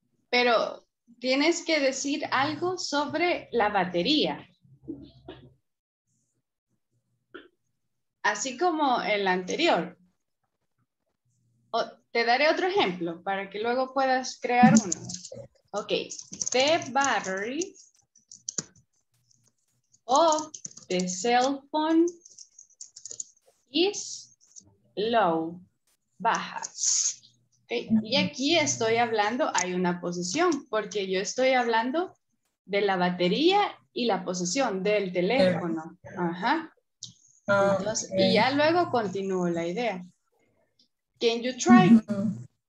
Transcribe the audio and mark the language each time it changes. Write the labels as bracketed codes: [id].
[es] Pero tienes que decir algo sobre la batería. Así como el anterior. O, te daré otro ejemplo para que luego puedas crear uno. [en] Ok. The battery of the cell phone is low. [es] Baja. Okay. Y aquí estoy hablando, hay una posesión, porque yo estoy hablando de la batería y la posesión del teléfono. Ajá. Y ya luego continúo la idea. [en] Can you try? [es] Mm-hmm.